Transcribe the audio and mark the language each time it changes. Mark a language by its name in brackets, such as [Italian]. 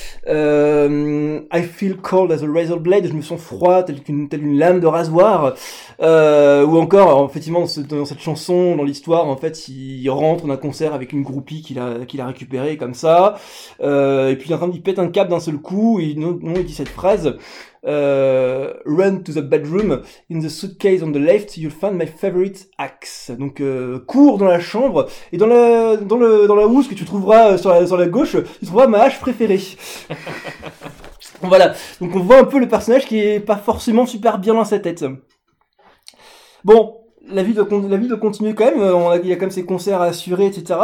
[English] I feel cold as a razor blade, [French] je me sens froid telle une lame de rasoir. Ou encore, alors, effectivement, dans cette chanson, dans l'histoire, en fait, il rentre d'un concert avec une groupie qu'il a récupérée comme ça. Et puis il pète un câble d'un seul coup, et non, il dit cette phrase. [English] Run to the bedroom, in the suitcase on the left, you'll find my favorite axe. [French] Donc, cours dans la chambre, et dans la housse que tu trouveras sur la gauche, tu trouveras ma hache préférée. Voilà. Donc, on voit un peu le personnage qui est pas forcément super bien dans sa tête. Bon. La vie doit continuer quand même, il y a quand même ses concerts à assurer, etc.